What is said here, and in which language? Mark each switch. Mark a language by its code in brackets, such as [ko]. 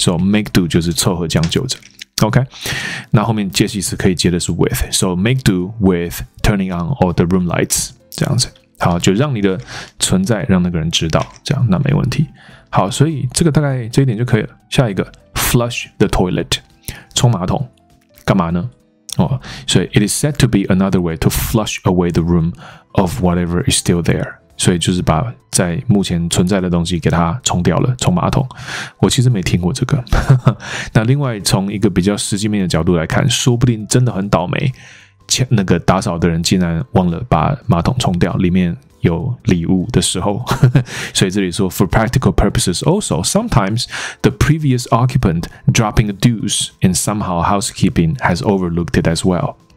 [zh] So make do 就是凑合将就着。OK, 那后面介系词可以接的是 with, so make do with turning on all the room lights, 这样子。好，就让你的存在让那个人知道，这样那没问题。好，所以这个大概这一点就可以了。下一个 flush the toilet, 冲马桶干嘛呢？ [en] 哦，所以 it is said to be another way to flush away the room of whatever is still there. [zh] 所以就是把在目前存在的东西给它冲掉了，冲马桶。我其实没听过这个。那另外从一个比较实际面的角度来看，说不定真的很倒霉，那个打扫的人竟然忘了把马桶冲掉，里面有礼物的时候。 [en] 所以这里说 For practical purposes also, sometimes the previous occupant dropping a deuce and somehow housekeeping has overlooked it as well.